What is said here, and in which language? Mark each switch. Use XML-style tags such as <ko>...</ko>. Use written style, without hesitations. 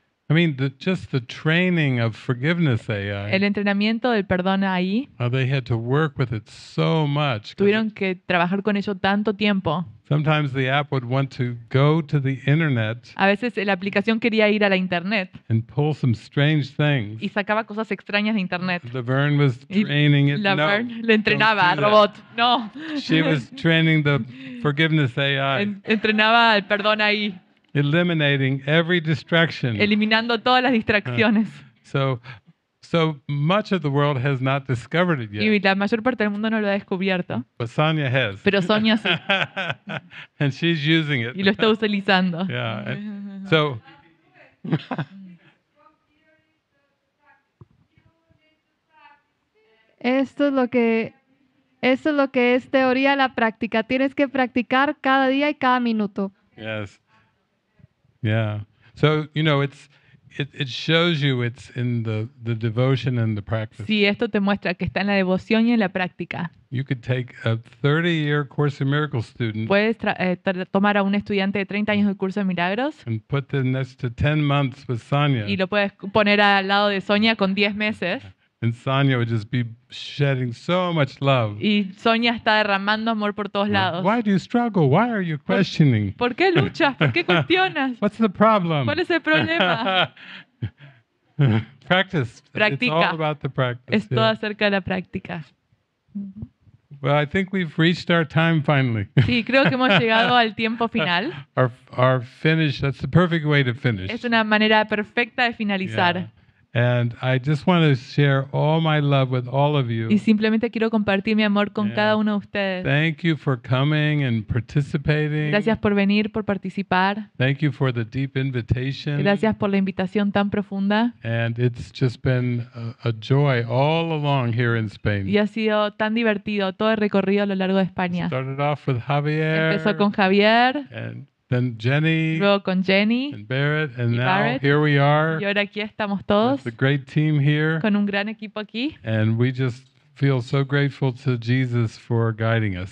<en>I mean, just the training of forgiveness AI.</en> <es>El entrenamiento del perdón AI.</es> <en>They had to work with it so much.</en> <es>Tuvieron que trabajar con ello tanto tiempo.</es> <en>Sometimes the app would want to go to the internet.</en> <es>A veces la aplicación quería ir a la internet.</es> <en>And pull some strange things.</en> <es>Y sacaba cosas extrañas de internet.</es> <en>Laverne was training it.</en> <es>Laverne no, le entrenaba al robot. No.</es> <en>She was training the forgiveness AI.</en> <es>Entrenaba al perdón AI.</es> <en>Eliminating every distraction.</en> <es>Eliminando todas las distracciones.</es> <en>So much of the world has not discovered it yet.</en> <es>Y la mayor parte del mundo no lo ha descubierto.</es> <en>But Sonia has.</en> <es>Pero Sonia sí.</es> <en>And she's using it.</en> <es>Y lo está utilizando.</es> <en>Yeah. So.</en> <es>Esto es lo que es teoría a la práctica. Tienes que practicar cada día y cada minuto.</es> <en>Yes. Yeah. So, you know, it shows you it's in the devotion and the practice.</en> <es>Sí, esto te muestra que está en la devoción y en la práctica.</es> <en>You could take a 30-year Course in Miracles student.</en> <es>Puedes tomar a un estudiante de 30 años del curso de milagros.</es> <en>And put them next to 10 months with Sonia.</en> <es>Y lo puedes poner al lado de Sonia con 10 meses.</es> <en>And Sonia would just be shedding so much love.</en> <es>Y Sonia está derramando amor por todos lados.</es> <en>Why do you struggle? Why are you questioning?</en> <es>¿Por qué luchas? ¿Por qué cuestionas?</es> <en>What's the problem?</en> <es>¿Cuál es el problema?</es> <en>Practice.</en> <es>Practica.</es> <en>It's all about the practice.</en> <es>Es todo acerca de la práctica.</es> <en>Well, I think we've reached our time finally.</en> <es>Sí, creo que hemos llegado al tiempo final.</es> <en>Our finish, that's the perfect way to finish.</en> <es>Es una manera perfecta de finalizar. Yeah.</es> <en>And I just want to share all my love with all of you.</en> <es>Y simplemente quiero compartir mi amor con cada uno de ustedes.</es> <en>Thank you for coming and participating.</en> <es>Gracias por venir, por participar.</es> <en>Thank you for the deep invitation.</en> <es>Gracias por la invitación tan profunda.</es> <en>And it's just been a joy all along here in Spain.</en> <es>Y ha sido tan divertido todo el recorrido a lo largo de España.</es> <en>Started off with Javier.</en> <es>Empezó con Javier.</es> <en>And then Jenny,</en> <es>luego con Jenny</es> <en>and Barrett, and</en> <es>y</es> <en>now</en> <es>Barrett,</es> <en>here we are.</en> <es>Y ahora aquí estamos todos.</es> <en>With a great team here.</en> <es>Con un gran equipo aquí.</es> <en>And we just feel so grateful to Jesus for guiding us.</en>